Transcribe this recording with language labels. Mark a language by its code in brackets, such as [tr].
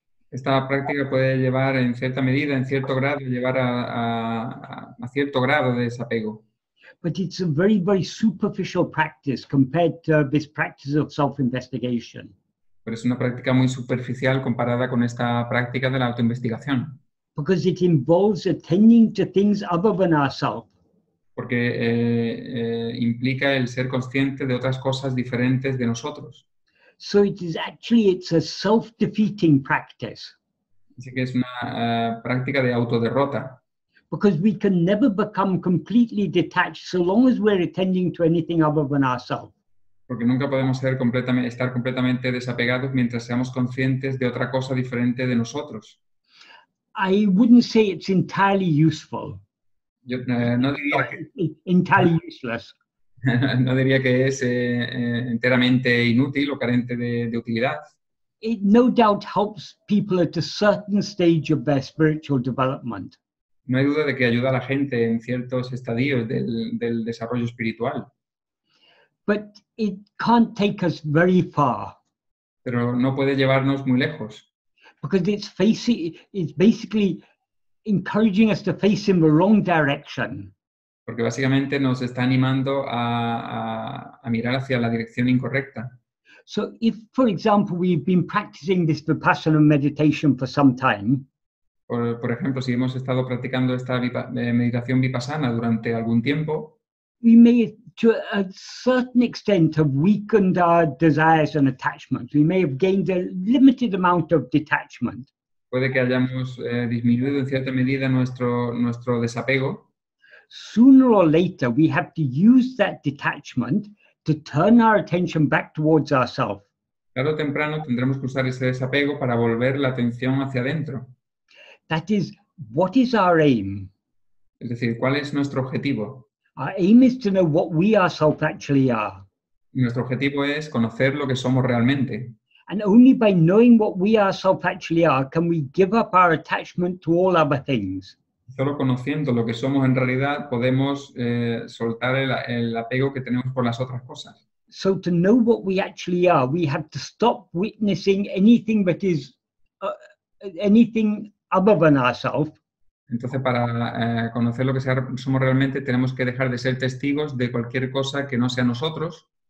[es] Esta práctica puede llevar en cierta medida, en cierto grado, llevar a cierto grado de desapego. [en] But it's a very, very superficial practice compared to this practice of self-investigation. [es] Pero es una práctica muy superficial comparada con esta práctica de la autoinvestigación. [en] Because it involves attending to things other than ourselves. [es] Porque implica el ser consciente de otras cosas diferentes de nosotros. [en] So it's a self-defeating practice. [es] Así que es una práctica de autoderrota. [en] Because we can never become completely detached so long as we're attending to anything other than ourselves. [es] Porque nunca podemos estar completamente desapegados mientras seamos conscientes de otra cosa diferente de nosotros. [en] I wouldn't say it's entirely useful. [es] Yo, no diría que, [en] entirely useless. [es] No diría que es enteramente inútil o carente de utilidad. [en] It no doubt helps people at a certain stage of their spiritual development. [es] No hay duda de que ayuda a la gente en ciertos estadios del desarrollo espiritual. [en] But it can't take us very far. [es] Pero no puede llevarnos muy lejos. [en] Because it's basically encouraging us to face in the wrong direction. [es] Porque básicamente nos está animando a mirar hacia la dirección incorrecta. [en] So if, for example, we've been practicing this Vipassana meditation for some time, [es] por ejemplo, si hemos estado practicando esta meditación Vipassana durante algún tiempo, [en] we may, to a certain extent, have weakened our desires and attachments. We may have gained a limited amount of detachment. [es] Puede que hayamos disminuido en cierta medida nuestro desapego. [en] Sooner or later, we have to use that detachment to turn our attention back towards ourselves. [es] Tarde o temprano tendremos que usar ese desapego para volver la atención hacia adentro. [en] That is, what is our aim? [es] Es decir, ¿cuál es nuestro objetivo? [en] Our aim is to know what we ourselves actually are. [es] Nuestro objetivo es conocer lo que somos realmente. [en] And only by knowing what we ourselves actually are can we give up our attachment to all other things. [es] Solo conociendo lo que somos en realidad podemos soltar el apego que tenemos por las otras cosas. [en] So to know what we actually are, we have to stop witnessing anything that is anything other than ourselves. [es] Entonces, para conocer lo que somos realmente, tenemos que dejar de ser testigos de cualquier cosa que no sea nosotros.